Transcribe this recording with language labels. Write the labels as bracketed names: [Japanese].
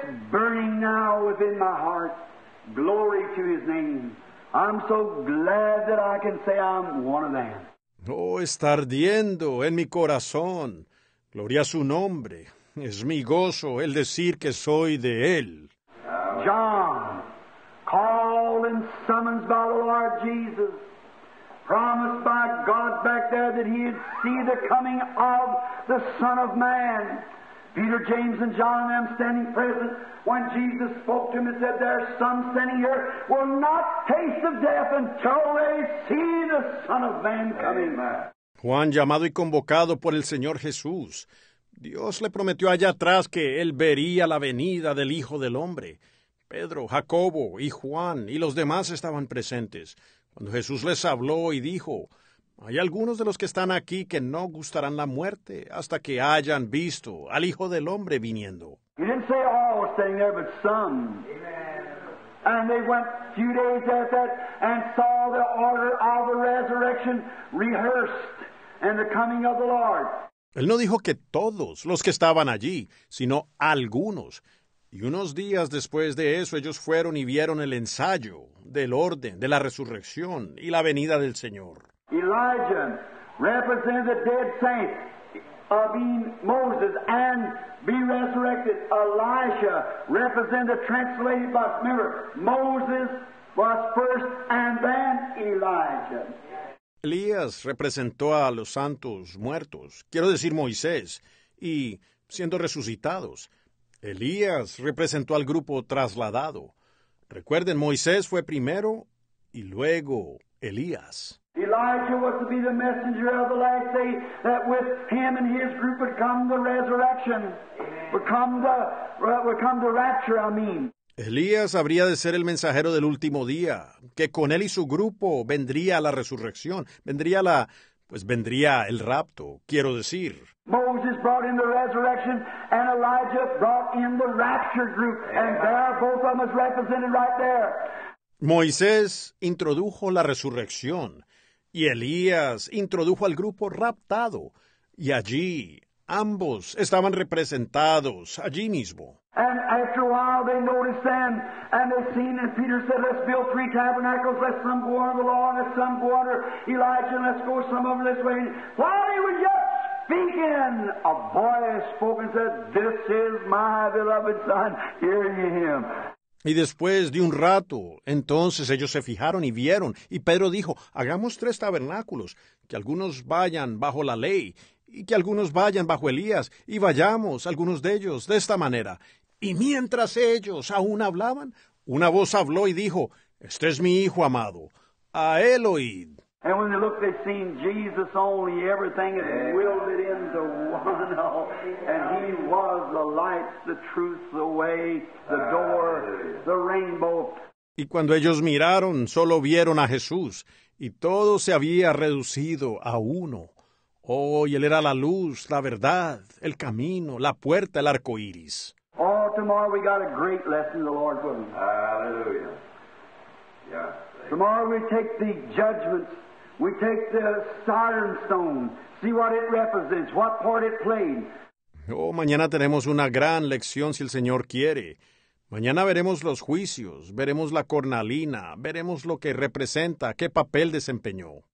[English] Burning now within my heart, glory to his name. I'm so glad that I can say I'm one of them. [Spanish] Oh, está ardiendo en mi corazón. Gloria a su nombre. Es mi gozo el decir que soy de él. [English] John, called and summoned by the Lord Jesus, promised by God back there that he'd see the coming of the Son of Man. Peter, James, and John, them standing present when Jesus spoke to him and said, "There's some standing here will not taste of death until they see the Son of Man coming." [Spanish] Juan, llamado y convocado por el Señor Jesús, Dios le prometió allá atrás que él vería la venida del Hijo del Hombre. Pedro, Jacobo y Juan y los demás estaban presentes cuando Jesús les habló y dijo, Hay algunos de los que están aquí que no gustarán la muerte hasta que hayan visto al Hijo del Hombre viniendo. [English] You didn't say all were sitting there, but some. Amen. And they went a few days after that and saw the order of the resurrection rehearsed and the coming of the Lord. [Spanish] Él no dijo que todos los que estaban allí, sino algunos. Y unos días después de eso, ellos fueron y vieron el ensayo del orden, de la resurrección y la venida del Señor. [English] Elijah represented the dead saints of Moses and be resurrected. Elisha represented the translated by spirit. Moses was first and then Elijah. [Spanish] Elías representó a los santos muertos, quiero decir Moisés, y siendo resucitados. Elías representó al grupo trasladado. Recuerden, Moisés fue primero y luego Elías. [English] Elijah was to be the messenger of the last day, that with him and his group would come the resurrection, would come the rapture. [Spanish] Elías habría de ser el mensajero del último día, que con él y su grupo vendría la resurrección, vendría el rapto, quiero decir. [English] Moses brought in the resurrection, and Elijah brought in the rapture group, and there both of them is represented right there. [Spanish] Moisés introdujo la resurrección, y Elías introdujo al grupo raptado, y allí ambos estaban representados allí mismo. [English] And after a while they noticed them, and they seen, and Peter said, let's build three tabernacles, let some go under the law, and let some go under Elijah, and let's go some of them this way. While he was yet speaking, a voice spoke and said, this is my beloved son, hear ye him. [Spanish] Y después de un rato, entonces ellos se fijaron y vieron, y Pedro dijo, hagamos tres tabernáculos, que algunos vayan bajo la ley, y que algunos vayan bajo Elías, y vayamos algunos de ellos de esta manera. Y mientras ellos aún hablaban, una voz habló y dijo, este es mi hijo amado, a él oíd. [English] And when they looked, they seen Jesus only, everything is wielded into one. And he was the light, the truth, the way, the door, the rainbow. [Spanish] Y cuando ellos miraron, solo vieron a Jesús, y todo se había reducido a uno. Oh, y él era la luz, la verdad, el camino, la puerta, el arco iris. [English] Oh, tomorrow we got a great lesson, the Lord will. Hallelujah. Yeah. Tomorrow we take the judgments. We take the Sardin stone. See what it represents, what part it played. [Spanish] Oh, mañana tenemos una gran lección, si el Señor quiere. Mañana veremos los juicios, veremos la cornalina, veremos lo que representa, qué papel desempeñó.